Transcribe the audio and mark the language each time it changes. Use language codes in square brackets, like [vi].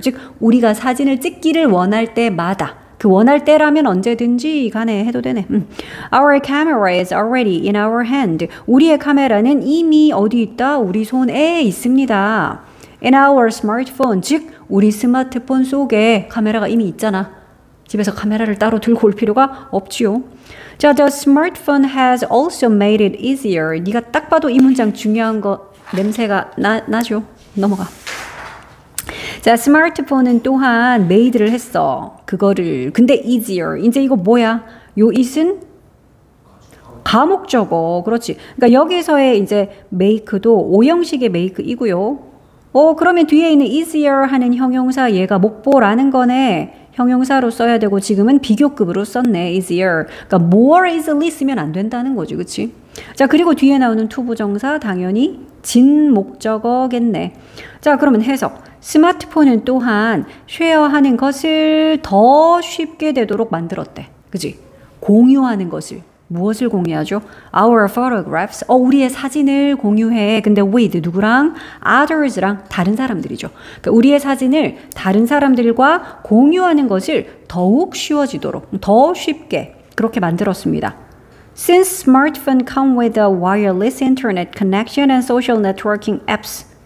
[ko] 즉, 우리가 사진을 찍기를 원할 때마다. 그 원할 때라면 언제든지 간에 해도 되네. [en] Our camera is already in our hand. [ko] 우리의 카메라는 이미 어디 있다? 우리 손에 있습니다. [en] In our smartphone, [ko] 즉 우리 스마트폰 속에 카메라가 이미 있잖아. 집에서 카메라를 따로 들고 올 필요가 없지요. [en] 자, the smartphone has also made it easier. [ko] 네가 딱 봐도 이 문장 중요한 거 냄새가 나죠. 넘어가. 자, 스마트폰은 또한 메이드를 했어. 그거를. 근데 easier. 이제 이거 뭐야? 요 is은? 가목적어. 그렇지. 그러니까 여기서의 이제 make도 5형식의 make이고요. 그러면 뒤에 있는 easier 하는 형용사 얘가 목보라는 거네. 형용사로 써야 되고 지금은 비교급으로 썼네. easier. 그러니까 [en] more easily [ko] 쓰면 안 된다는 거지. 그치? 자, 그리고 뒤에 나오는 to 부정사 당연히 진목적어겠네. 자, 그러면 해석. 스마트폰은 또한 쉐어하는 것을 더 쉽게 되도록 만들었대. 그지? 공유하는 것을. 무엇을 공유하죠? [en] Our photographs. [ko] 우리의 사진을 공유해. 근데 with 누구랑? Others랑 다른 사람들이죠. 그러니까 우리의 사진을 다른 사람들과 공유하는 것을 더욱 쉬워지도록, 더 쉽게 그렇게 만들었습니다. [en] Since smartphone come with a wireless internet connection and social networking apps.